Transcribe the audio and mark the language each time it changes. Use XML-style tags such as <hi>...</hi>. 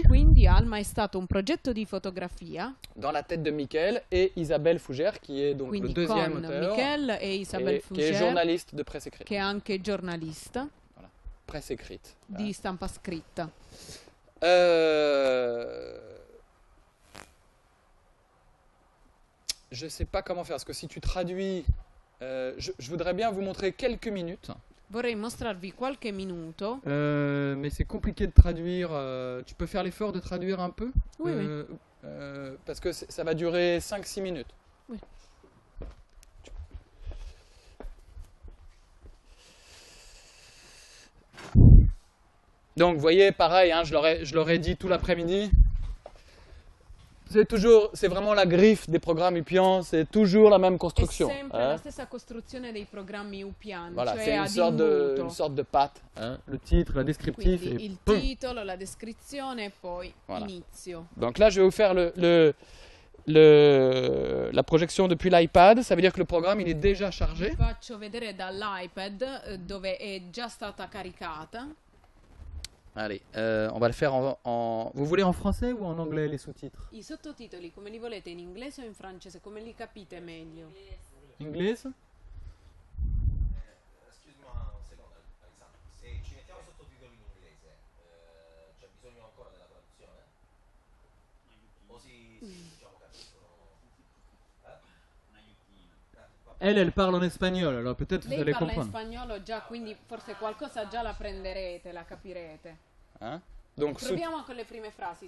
<it>Quindi Alma è stato un progetto di fotografia.</it> <fr>Dans la tête de Michel et Isabelle Fougère, qui est donc</fr> <it>quindi</it> <fr>le deuxième auteur. Michel et Isabelle Fougère. Qui est journaliste de presse écrite.</fr> <it>Che è anche giornalista.</it> <fr>Voilà, presse écrite.</fr> <it>Di ouais. Stampa scritta.</it> <fr>Je sais pas comment faire, parce que si tu traduis, je voudrais bien vous montrer quelques minutes.</fr> <it>Vorrei mostrarvi qualche minuto.</it> <fr>Mais c'est compliqué de traduire. Tu peux faire l'effort de traduire un peu? Oui, oui. Parce que ça va durer 5-6 minutes. Oui. Donc, vous voyez, pareil, hein, je l'aurais dit tout l'après-midi. C'est toujours, c'est vraiment la griffe des programmes UPIAN, c'est toujours la même construction. C'est toujours la même construction des programmes UPIAN. Voilà,</fr> <it>cioè</it> <fr>c'est une sorte de patte. Hein. Le titre, la descriptif.</fr> <it>Il titolo, la descrizione</it> <fr>et puis</fr> <it>l'inizio.</it> <fr>Donc là, je vais vous faire la projection depuis l'iPad. Ça veut dire que le programme il est déjà chargé.</fr> <it>Vi faccio vedere dall'iPad dove è già stata caricata.</it> <fr>Allez, on va le faire en... Vous voulez en français ou en anglais les sous-titres?</fr> <it>I sottotitoli, come li volete, in inglese o in francese? Come li capite meglio? Inglese?</it> <fr>Excuse-moi un second, Alexandre.</fr> <it>Se ci mettiamo sottotitoli in inglese, c'è bisogno ancora della traduzione? O si, diciamo, capiscono...</it> <fr>Elle parle en espagnol, alors peut-être vous allez comprendre.</fr> <it>Lei parla in spagnolo già, quindi forse qualcosa già la prenderete, la capirete.</it> <fr>Hein? Donc,</fr> <it>proviamo con le prime frasi.</it>